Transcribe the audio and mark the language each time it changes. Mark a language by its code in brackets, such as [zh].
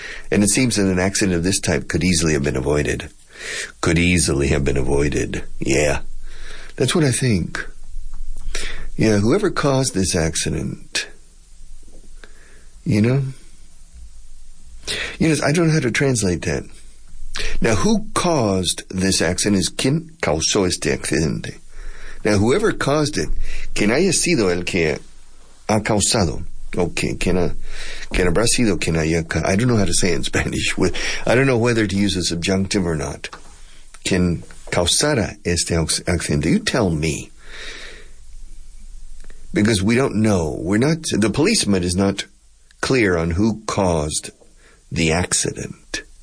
[en] And it seems that an accident of this type could easily have been avoided. Could easily have been avoided. Yeah. That's what I think. Yeah, whoever caused this accident, you know, I don't know how to translate that. Now, who caused this accident? Is [es] quien causó este accidente? [en] Now, whoever caused it, [es] ¿quién haya sido el que ha causado? [en] Okay, [es] quien habrá sido quien haya causado? [en] I don't know how to say it in Spanish. I don't know whether to use a subjunctive or not. [es] Quien causara este accidente? [en] You tell me. Because we don't know. The policeman is not clear on who caused the accident.